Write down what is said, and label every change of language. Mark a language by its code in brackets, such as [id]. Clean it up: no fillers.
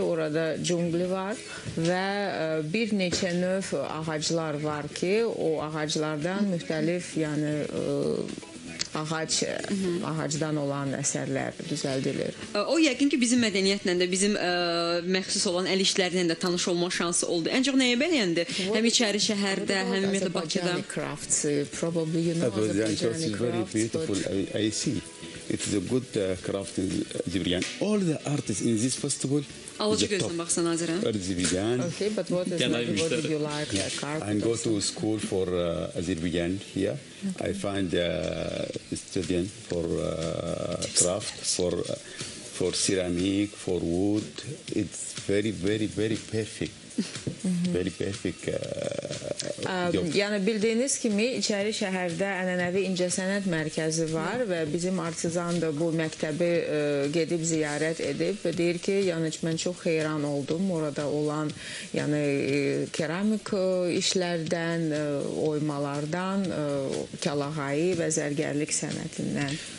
[az] Orada cüngli var və bir neçə növ ağaclar var ki, o ağaclardan müxtəlif, yəni ağacdan olan əsərlər düzəldilir. O yəqin ki, bizim mədəniyyətlə də, bizim məxsus olan əl işlərlə də tanış olma şansı oldu. Ancaq nəyə bəyəndi? Həm içəri şəhərdə, həm ümumiyyətlə Bakıda. [en] Probably you know Azerbaijani crafts. It's very beautiful. I see. It's a good craft in Azerbaijan. All the artists in this festival. [az] Alıcı gözlə baxsan Azərə. [en] Azerbaijan. Okay, but what did you like? I go to school for Azerbaijan here. Okay. I find a student for craft, for ceramic, for wood. It's very, very, very perfect. Very perfect. [az] Yəni bildiyiniz kimi içəri şəhərdə ənənəvi incəsənət mərkəzi var və bizim artizan da bu məktəbi gedib ziyarət edib və deyir ki, yəni mən çox heyran oldum orada olan, yəni keramik işlərdən, oymalardan, kəlağayı və zərgərlik sənətindən.